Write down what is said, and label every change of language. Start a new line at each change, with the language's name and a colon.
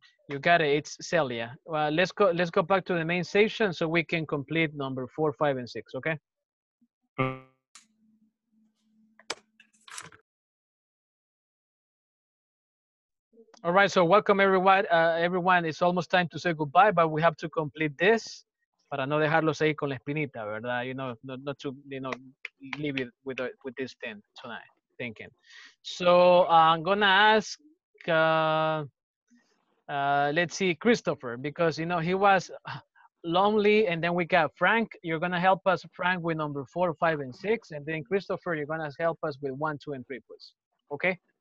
English: You got it. It's Celia. Well, let's go back to the main session so we can complete number 4, 5, and 6. Okay. All right. So welcome everyone. Everyone, it's almost time to say goodbye, but we have to complete this.
Spanish: Para no dejarlos ahí con la espinita, ¿verdad?
English: You know, not to leave it with this thing tonight, thinking. So I'm going to ask, let's see, Christopher, because, you know, he was lonely, and then we got Frank. You're going to help us, Frank, with number 4, 5, and 6, and then Christopher, you're going to help us with 1, 2, and 3, please. Okay?